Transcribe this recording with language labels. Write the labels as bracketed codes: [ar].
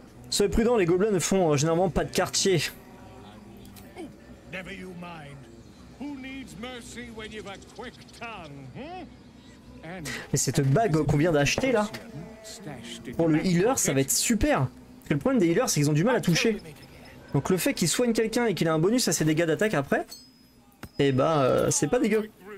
[fr] Soyez prudents, les gobelins ne font généralement pas de quartier. [en] Oh, never you mind. Who needs mercy when you've a quick tongue, hein? [fr] Mais cette bague qu'on vient d'acheter là, pour le healer, ça va être super. Parce que le problème des healers, c'est qu'ils ont du mal à toucher. Donc le fait qu'il soigne quelqu'un et qu'il a un bonus à ses dégâts d'attaque après, et bah c'est pas dégueu.